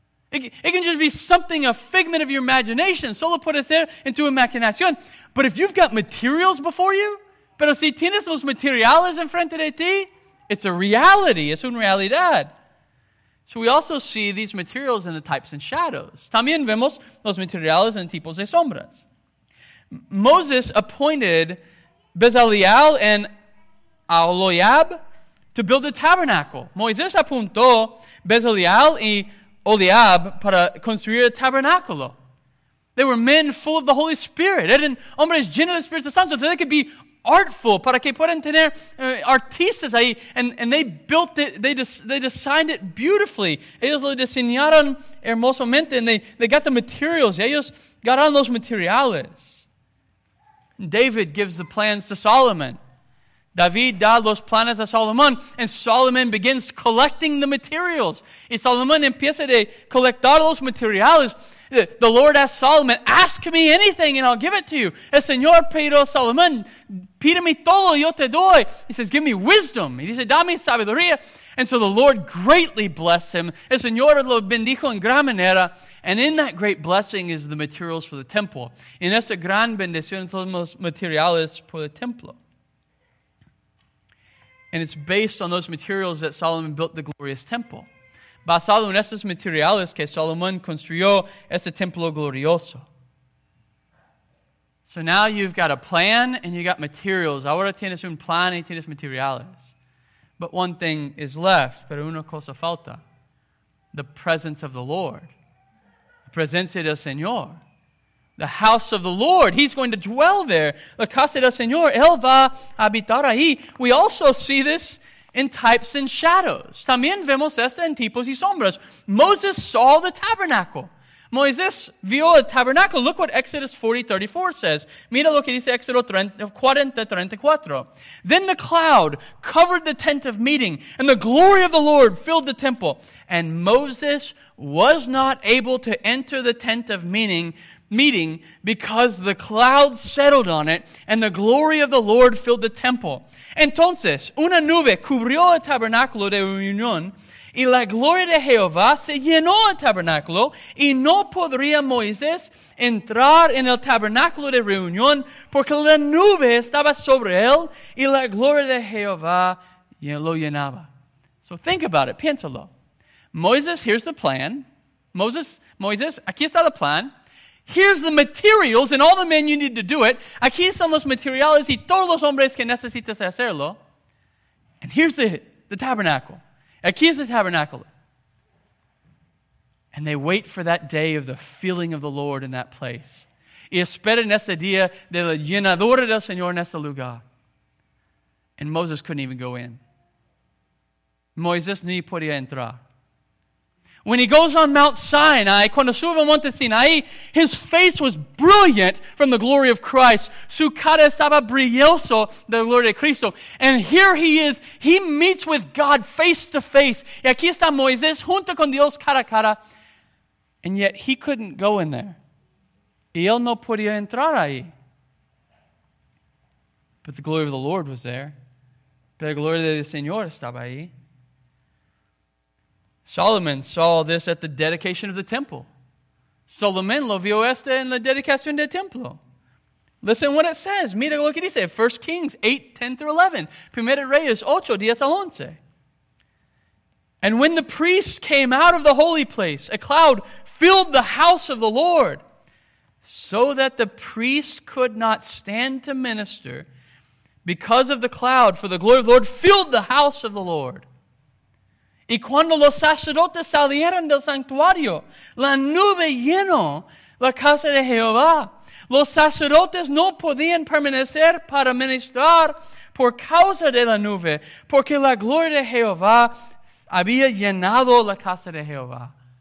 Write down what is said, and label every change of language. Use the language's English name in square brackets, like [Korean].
[English] It can just be something, a figment of your imagination. [Spanish] Solo puede ser en tu imaginación. [English] But if you've got materials before you, [Spanish] pero si tienes los materiales enfrente de ti, [English] it's a reality. [Spanish] Es una realidad. [English] So we also see these materials in the types and shadows. [Spanish] También vemos los materiales en tipos de sombras. [English] Moses appointed Bezaleel and Aholiab to build the tabernacle. [Spanish] Moisés apuntó Bezaleel y Aholiab para construir el tabernáculo. [English] They were men full of the Holy Spirit. [Spanish] Eran hombres llenos del Espíritu Santo. [English] So they could be artful, [Spanish] para que puedan tener artistas ahí. [English] And they built it, they designed it beautifully. [Spanish] Ellos lo diseñaron hermosamente, [English] and they got the materials. [Spanish] Ellos ganaron los materiales. [English] David gives the plans to Solomon. [Spanish] David da los planes a Salomón, [English] and Solomon begins collecting the materials. [Spanish] Y Salomón empieza de colectar los materiales. [English] The Lord asks Solomon, ask me anything and I'll give it to you. [Spanish] El Señor pidió a Salomón, pídeme todo, yo te doy. [English] He says, give me wisdom. [Spanish] He dice, dame sabiduría. [English] And so the Lord greatly blessed him. [Spanish] El Señor lo bendijo en gran manera. [English] And in that great blessing is the materials for the temple. [Spanish] En esa gran bendición son los materiales por el templo. [English] And it's based on those materials that Solomon built the glorious temple. [Spanish] Basado en esos materiales que Solomon construyó ese templo glorioso. [English] So now you've got a plan and you've got materials. [Spanish] Ahora tienes un plan y tienes materiales. [English] But one thing is left, [Spanish] pero una cosa falta. [English] The presence of the Lord. [Spanish] La presencia del Señor. [English] The house of the Lord. He's going to dwell there. [Spanish] La casa del Señor. Él va a habitar ahí. [English] We also see this in types and shadows. [Spanish] También vemos esto en tipos y sombras. [English] Moses saw the tabernacle. [Spanish] Moisés vio el tabernacle. [English] Look what Exodus 40:34 says. [Spanish] Mira lo que dice Exodus 40:34. [English] Then the cloud covered the tent of meeting, and the glory of the Lord filled the temple. And Moses was not able to enter the tent of meeting because the cloud settled on it and the glory of the Lord filled the temple. [Spanish] Entonces, una nube cubrió el tabernáculo de reunión y la gloria de Jehová se llenó el tabernáculo y no podría Moisés entrar en el tabernáculo de reunión porque la nube estaba sobre él y la gloria de Jehová lo llenaba. [English] So think about it, [Spanish] piénsalo. [English] Moses, here's the plan. [Spanish] Moisés, aquí está el plan. [English] Here's the materials and all the men you need to do it. [Spanish] Aquí son los materiales y todos los hombres que necesitas hacerlo. [English] And here's the tabernacle. [Spanish] Aquí es el tabernáculo. [English] And they wait for that day of the filling of the Lord in that place. [Spanish] Y esperan ese día de la llenadura del Señor en ese lugar. [English] And Moses couldn't even go in. [Spanish] Moisés ni podía entrar. [English] When he goes on Mount Sinai, [Spanish] cuando sube al Monte Sinai, [English] his face was brilliant from the glory of Christ. [Spanish] Su cara estaba brilloso de la gloria de Cristo. [English] And here he is. He meets with God face to face. [Spanish] Y aquí está Moisés junto con Dios cara a cara. [English] And yet he couldn't go in there. [Spanish] Y él no podía entrar ahí. [English] But the glory of the Lord was there. [Spanish] Pero la gloria del Señor estaba ahí. [English] Solomon saw this at the dedication of the temple. [Spanish] Solomon lo vio este en la dedicación del templo. [English] Listen what it says. [Spanish] Mira lo que dice. [English] 1 Kings 8:10-11. [Spanish] Primera Reyes 8:10-11. [English] And when the priest came out of the holy place, a cloud filled the house of the Lord, so that the priest could not stand to minister because of the cloud, for the glory of the Lord filled the house of the Lord. [Spanish] Y cuando los sacerdotes salieron del santuario, la nube llenó la casa de Jehová. Los sacerdotes no podían permanecer para ministrar por causa de la nube, porque la gloria de Jehová había llenado la casa de Jehová.